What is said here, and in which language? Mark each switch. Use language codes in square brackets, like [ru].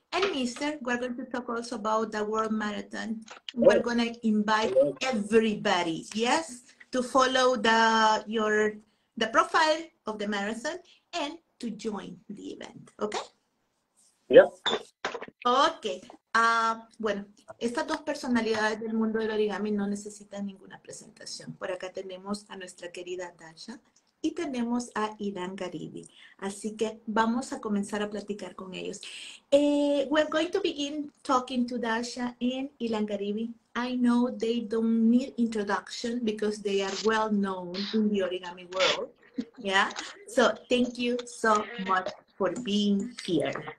[en] And mister, we're going to talk also about the World Marathon. We're going to invite everybody, yes, to follow the profile of the marathon and to join the event, okay? Yeah. Okay. [es] Bueno, estas dos personalidades del mundo del origami no necesitan ninguna presentación. Por acá tenemos a nuestra querida Dasha y tenemos a Ilan Garibi. Así que vamos a comenzar a platicar con ellos. [en] We're going to begin talking to Dasha and Ilan Garibi. I know they don't need introduction because they are well known in the origami world. Yeah. So thank you so much for being here.